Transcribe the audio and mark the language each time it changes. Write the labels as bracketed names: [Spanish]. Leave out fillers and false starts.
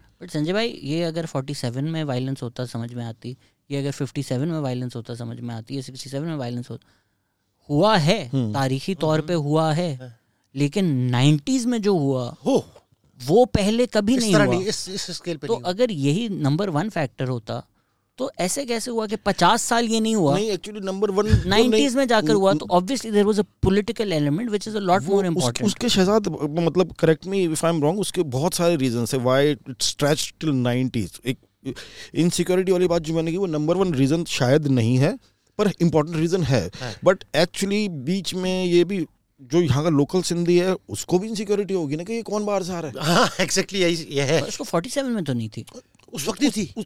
[Urdu] But Sanjay بھائی یہ اگر 47 میں وائلنس ہوتا سمجھ میں آتی, یہ اگر 57 میں وائلنس ہوتا سمجھ میں آتی, یہ 67 میں وائلنس ہوا ہے تاریخی طور پہ ہوا ہے, لیکن 90s میں جو ہوا وہ پہلے کبھی نہیں ہوا. تو اگر یہی نمبر ون فیکٹر ہوتا تو ایسے کیسے ہوا کہ 50 سال یہ نہیں ہوا؟ نہیں ایکچولی نمبر ون 90s میں جا کر ہوا, تو [English] obviously there was a political element which is a lot more important. [Urdu] اس کے شہزاد مطلب [English] correct me if I'm wrong, [Urdu] اس کے بہت سارے reasons ہیں [English] why it stretched till 90s. [Urdu] ایک انسیکیورٹی والی بات جو میں نے کی وہ نمبر ون ریزن شاید نہیں ہے پر امپورٹنٹ ریزن ہے, بٹ ایکچولی بیچ میں یہ بھی جو یہاں کا لوکل سندھی ہے اس کو بھی انسیکیورٹی ہوگی نا کہ یہ کون باہر سے آ رہا ہے. ایکزیکٹلی یہ ہے, اس کو 47 میں تو نہیں تھی, اس وقت ہی تھی.